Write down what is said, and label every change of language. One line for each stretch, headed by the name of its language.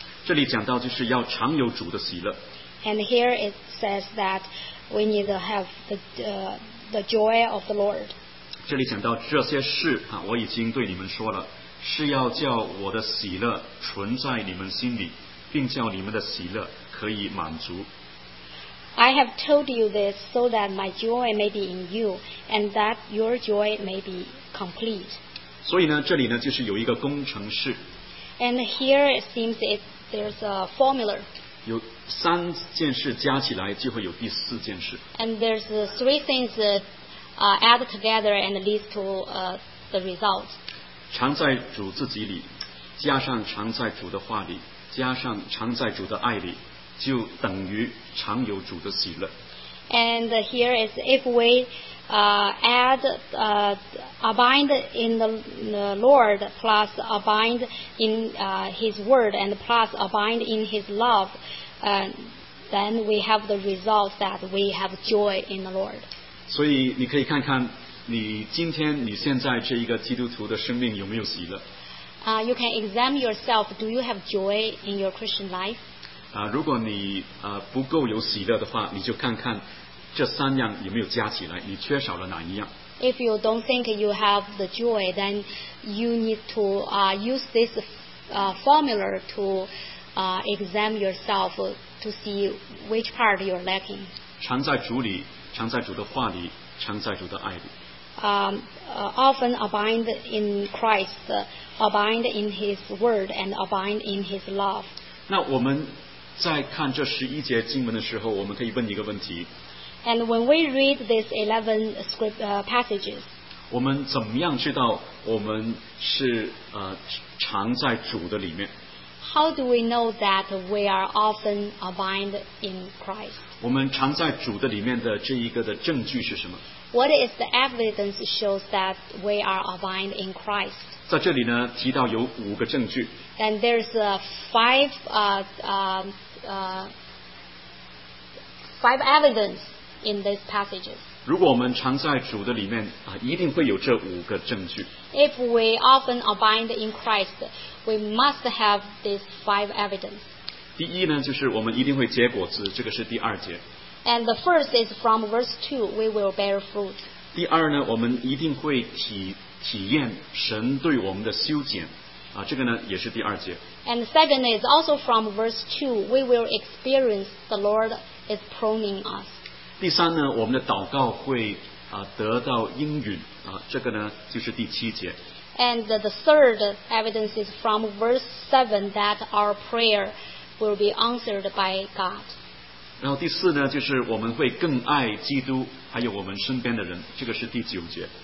Chinese: 这里讲到就是要常有主的喜乐。
English: And here it says that we need to have the joy of the Lord.
Chinese: 这里讲到这些事啊，我已经对你们说了，是要叫我的喜乐存在你们心里，并叫你们的喜乐可以满足。
English: I have told you this so that my joy may be in you and that your joy may be complete.
Chinese: 所以呢，这里呢就是有一个工程式。
English: And here it seems there's a formula.
Chinese: 有三件事加起来就会有第四件事。
English: And there's three things add together and leads to the result.
Chinese: 常在主自己里，加上常在主的话里，加上常在主的爱里，就等于常有主的喜乐。
English: And here is if we abide in the Lord plus abide in His word and plus abide in His love, then we have the result that we have joy in the Lord.
Chinese: 所以你可以看看你今天你现在这一个基督徒的生命有没有喜乐。
English: You can examine yourself. Do you have joy in your Christian life?
Chinese: 如果你不够有喜乐的话，你就看看这三样有没有加起来，你缺少了哪一样。
English: If you don't think you have the joy, then you need to use this formula to examine yourself to see which part you're lacking.
Chinese: 常在主里，常在主的话里，常在主的爱里。
English: Often abide in Christ, abide in His word, and abide in His love.
Chinese: 那我们在看这十一节经文的时候，我们可以问一个问题。
English: And when we read these 11 script passages,
Chinese: 我们怎么样知道我们是常在主的里面？
English: How do we know that we are often abide in Christ?
Chinese: 我们常在主的里面的这一个的证据是什么？
English: What is the evidence shows that we are abide in Christ?
Chinese: 在这里呢，提到有五个证据。
English: And there's five five evidence in these passages.
Chinese: 如果我们常在主的里面一定会有这五个证据。
English: If we often abide in Christ, we must have these five evidence.
Chinese: 第一呢，就是我们一定会结果子，这个是第二节。
English: And the first is from verse 2, we will bear fruit.
Chinese: 第二呢，我们一定会体验神对我们的修剪。这个呢也是第二节。
English: And second is also from verse 2, we will experience the Lord is pruning us.
Chinese: 第三呢，我们的祷告会得到应允。这个呢就是第七节。
English: And the third evidence is from verse 7 that our prayer will be answered by God.
Chinese: 然后第四呢，就是我们会更爱基督，还有我们身边的人，这个是第九节。